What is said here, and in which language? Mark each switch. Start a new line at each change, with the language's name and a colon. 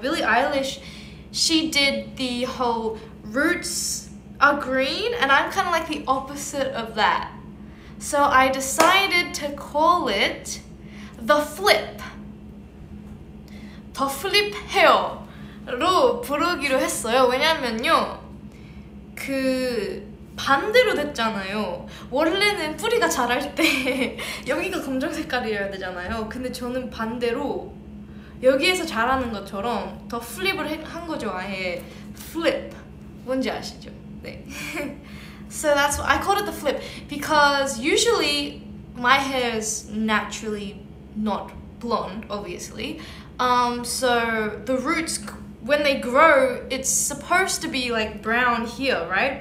English: 빌리 아일리시, she did the whole roots are green, and I'm kind of like the opposite of that. So I decided to call it the flip.
Korean: The flip hair로 부르기로 했어요. 왜냐면요, 그 반대로 됐잖아요. 원래는 뿌리가 자랄 때 여기가 검정 색깔이어야 되잖아요. 근데 저는 반대로 여기에서 자라는 것처럼 더 플립을 한 거죠. 아예 flip. 뭔지 아시죠? 네.
English: So that's why I call it the flip, because usually my hair is naturally not blonde, obviously. So the roots, when they grow, it's supposed to be like brown here, right?